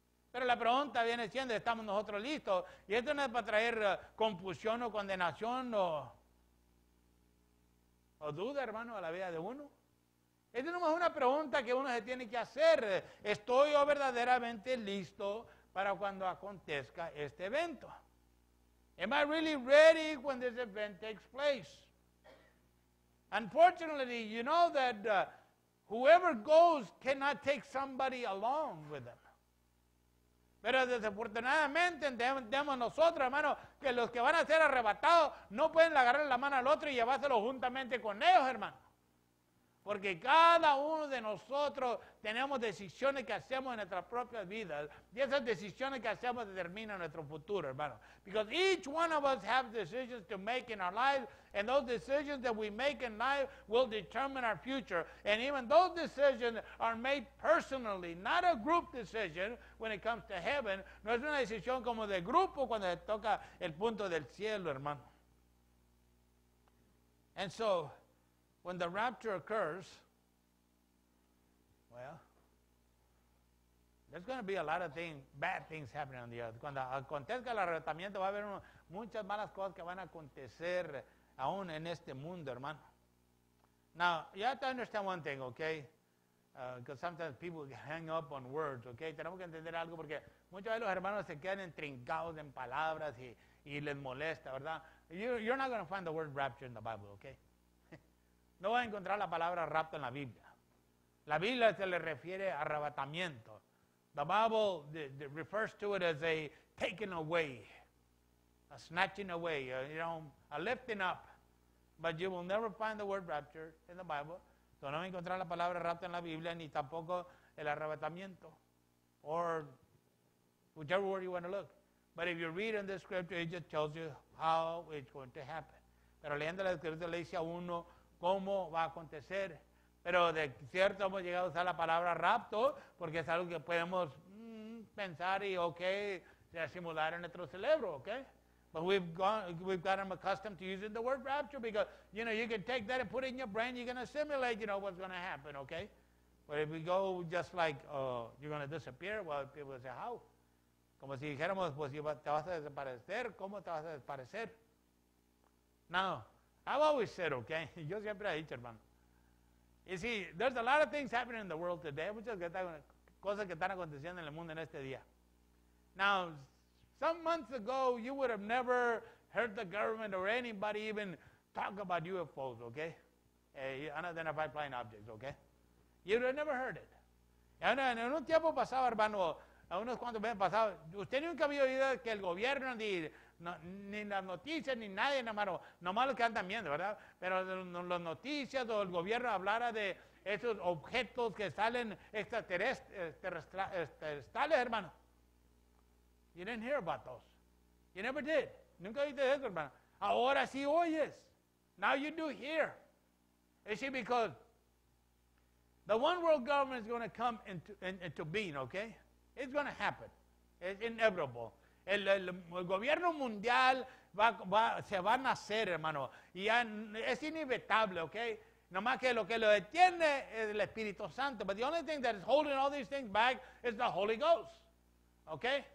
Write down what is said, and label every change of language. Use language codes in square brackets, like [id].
[es] Pero la pregunta viene siendo, ¿estamos nosotros listos? Y esto no es para traer confusión o condenación o duda, hermano, a la vida de uno. Esto no es una pregunta que uno se tiene que hacer. ¿Estoy yo verdaderamente listo para cuando acontezca este evento? [en] Am I really ready when this event takes place? Unfortunately, you know that whoever goes cannot take somebody along with them. [es] Pero desafortunadamente entendemos nosotros, hermano, que los que van a ser arrebatados no pueden agarrar la mano al otro y llevárselo juntamente con ellos, hermano. Porque cada uno de nosotros tenemos decisiones que hacemos en nuestras propias vidas. Y esas decisiones que hacemos determinan nuestro futuro, hermano. [en] Because each one of us have decisions to make in our life. And those decisions that we make in life will determine our future. And even those decisions are made personally, not a group decision when it comes to heaven. [es] No es una decisión como de grupo cuando se toca el punto del cielo, hermano. [en] And so, when the rapture occurs, well, there's going to be a lot of things, bad things happening on the earth. [es] Cuando acontezca el arrebatamiento, va a haber muchas malas cosas que van a acontecer aún en este mundo, hermano. [en] Now, you have to understand one thing, okay? Because sometimes people hang up on words, okay? [es] Tenemos que entender algo porque muchas veces los hermanos se quedan intrincados en palabras y les molesta, ¿verdad? [en] You're not going to find the word rapture in the Bible, okay? [es] No va a encontrar la palabra rapto en la Biblia. La Biblia se le refiere a arrebatamiento. [en] The Bible refers to it as a taking away, a snatching away, a lifting up. But you will never find the word rapture in the Bible. [es] So no va a encontrar la palabra rapto en la Biblia, ni tampoco el arrebatamiento. [en] Or whichever word you want to look. But if you read in the scripture, it just tells you how it's going to happen. [es] Pero leyendo la escritura le dice a uno cómo va a acontecer. Pero de cierto hemos llegado a usar la palabra rapto, porque es algo que podemos pensar y, ok, simular en nuestro cerebro, ok. [en] But we've gotten accustomed to using the word rapture because, you know, you can take that and put it in your brain, you're going to simulate, you know, what's going to happen, ok. But if we go just like, you're going to disappear, well, people say, how? [es] Como si dijéramos, pues, te vas a desaparecer, ¿cómo te vas a desaparecer? [en] Now, I've always said, okay, [es] yo siempre he dicho, hermano. [en] You see, there's a lot of things happening in the world today, [es] muchas cosas que están aconteciendo en el mundo en este día. [en] Now, some months ago, you would have never heard the government or anybody even talk about UFOs, okay? Unidentified flying objects, okay? You would have never heard it. [es] En un tiempo pasado, hermano, a unos cuantos meses pasados, usted nunca había oído que el gobierno ni las noticias, ni nadie, nomás lo que andan viendo, ¿verdad? Pero las noticias o el gobierno hablara de esos objetos que salen extraterrestres, hermano. [en] You didn't hear about those. You never did. [es] Nunca oíste eso, hermano. Ahora sí oyes. [en] Now you do hear. You see, because the one world government is going to come into being, okay? It's going to happen. It's inevitable. [es] El gobierno mundial se va a nacer, hermano. Y ya es inevitable, ¿ok? Nomás que lo detiene es el Espíritu Santo. [en] But the only thing that is holding all these things back is the Holy Ghost, ¿ok?